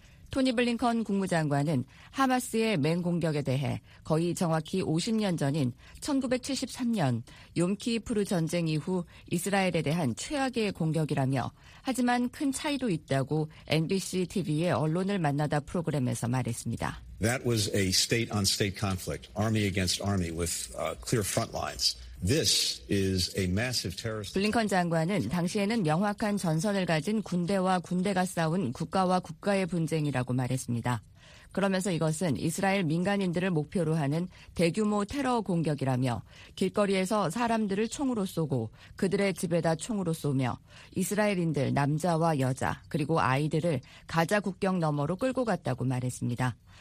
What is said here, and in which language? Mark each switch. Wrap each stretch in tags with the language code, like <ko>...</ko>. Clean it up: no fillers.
<ko>토니 블링컨 국무장관은 하마스의 맹공격에 대해 거의 정확히 50년 전인 1973년 욤키푸르 전쟁 이후 이스라엘에 대한 최악의 공격이라며 하지만 큰 차이도 있다고 NBC TV의 언론을 만나다 프로그램에서 말했습니다.</ko> <en>That was a state-on-state conflict, army against army with clear front lines. This is a massive terrorist.</en> <ko>블링컨 장관은 당시에는 명확한 전선을 가진 군대와 군대가 싸운 국가와 국가의 분쟁이라고 말했습니다. 그러면서 이것은 이스라엘 민간인들을 목표로 하는 대규모 테러 공격이라며 길거리에서 사람들을 총으로 쏘고 그들의 집에다 총으로 쏘며 이스라엘인들 남자와 여자 그리고 아이들을 가자 국경 너머로 끌고 갔다고 말했습니다.</ko>